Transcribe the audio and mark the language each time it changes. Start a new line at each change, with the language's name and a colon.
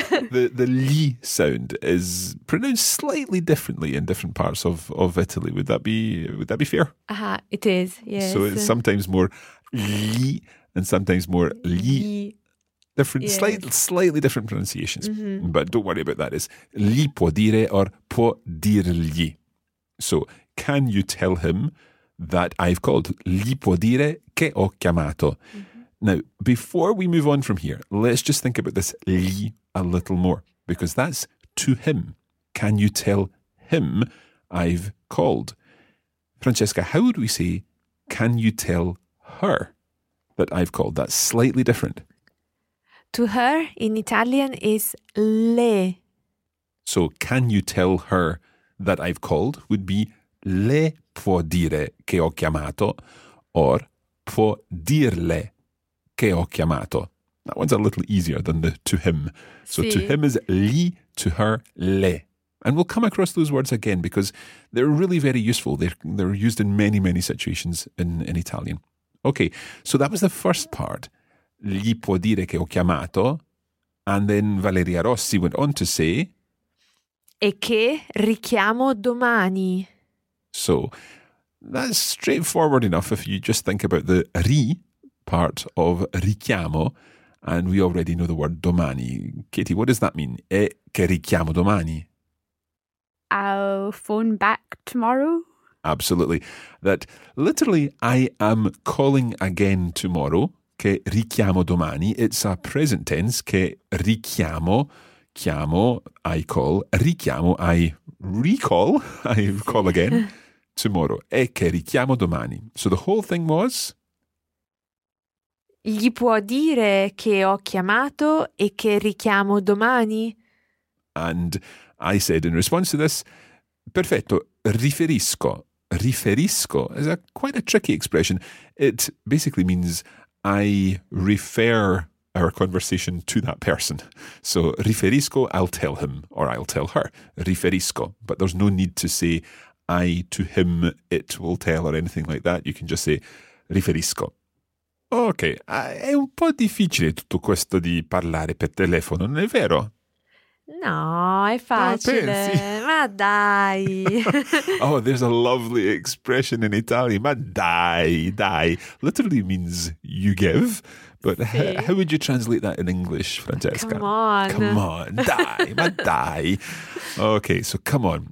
English: The gli sound is pronounced slightly differently in different parts of Italy. Would that be fair? Uh-huh, it is, yes. So it's sometimes more gli and sometimes more gli. Different, yes. slightly different pronunciations. Mm-hmm. But don't worry about that.
Italian: It's gli può dire or può dirgli.
English: So can you tell him that I've called?
Italian: Gli può dire che ho chiamato. Mm-hmm.
English: Now, before we move on from here, let's just think about this gli a little more, because that's to him. Can you tell him I've called? Francesca, how would we say, can you tell her that I've called? That's slightly different. To her in Italian is le. So can you tell her that I've called would be
Italian: le può dire che ho chiamato
English: or
Italian: può dirle che ho chiamato.
English: That one's a little easier than the to him. So si. To him is gli, to her le. And we'll come across those words again because they're really very useful. They're used in many, many situations in Italian. Okay, so that was the first part.
Italian: Gli può dire che ho chiamato.
English: And then Valeria Rossi went on to say,
Italian: e che richiamo domani.
English: So that's straightforward enough if you just think about the ri part of richiamo, and we already know the word domani. Katie, what does that mean?
Italian: E che richiamo domani?
English: I'll phone back tomorrow. Absolutely. That literally, I am calling again tomorrow.
Italian: Che richiamo domani.
English: It's a present tense.
Italian: Che richiamo.
English: Chiamo, I call. Richiamo, I recall. I call again. Tomorrow.
Italian: E che richiamo domani.
English: So the whole thing was?
Italian: Gli può dire che ho chiamato e che richiamo domani?
English: And I said in response to this,
Italian: perfetto, riferisco.
English: Riferisco is quite a tricky expression. It basically means I refer our conversation to that person. So riferisco, I'll tell him or I'll tell her. Riferisco. But there's no need to say I to him, it will tell, or anything like that. You can just say, riferisco.
Italian: Ok, è un po' difficile tutto questo di parlare per telefono, non è vero? No, è facile. Ah, pensi? Ma dai.
English: Oh, there's a lovely expression in Italian.
Italian: Ma dai, dai.
English: Literally means you give. But sì. How would you translate that in English, Francesca? Come on. Come on,
Italian: dai, ma dai.
English: Okay, so come on.